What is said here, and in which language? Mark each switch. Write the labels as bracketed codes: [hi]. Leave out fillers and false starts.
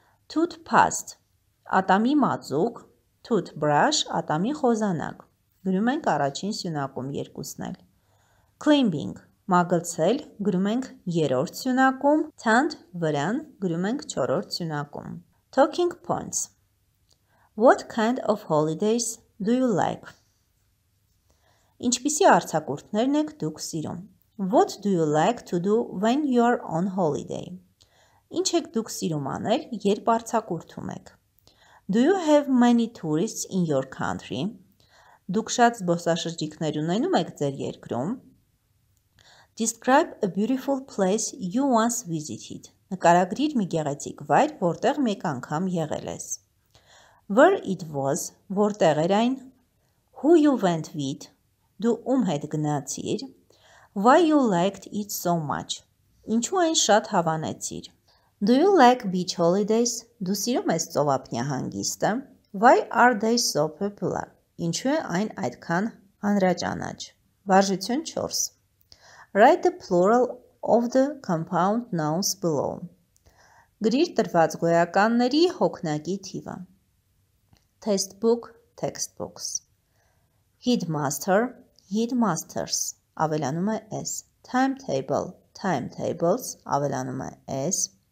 [hy] Toothpaste – ատամի մածուկ. Toothbrush – ատամի խոզանակ, գրում ենք առաջին սյունակում երկուսն էլ. Climbing – մագլցել, գրում ենք երրորդ սյունակում. Tent – վրան, գրում ենք չորրորդ սյունակում. [en] Talking points – What kind of holidays do you like? [hy] Ինչպիսի արձակուրդներն եք դուք սիրում? [en] What do you like to do when you are on holiday? [hy] Ինչ եք դուք սիրում անել, երբ արձակուրդում եք? [en] Do you have many tourists in your country? [hy] Դուք շատ զբոսաշրջիկներ ունենում եք ձեր երկրում? [en] Describe a beautiful place you once visited. [hy] Նկարագրիր մի գեղեցիկ վայր, որտեղ մեկ անգամ եղել ես. [en] Where it was, [hy] որտեղ էր այն? [en] Who you went with, [hy] դու ում հետ գնացիր? [en] Why you liked it so much, [hy] ինչու այն շատ հավանեցիր? [en] Do you like beach holidays? [hy] Դու սիրում ես ծովափնյա հանգիստը? [en] Why are they so popular? [hy] Ինչու է այն այդքան հանրաճանաչ? Վարժություն 4. [en] Write the plural of the compound nouns below. [hy] Գրիր տրված գոյականների հոգնակի թիվը. [en] Textbook, textbooks. Headmaster, headmasters. [hy] Ավելանում է s. [en] Timetable, timetables. [hy] Ավելանում է s.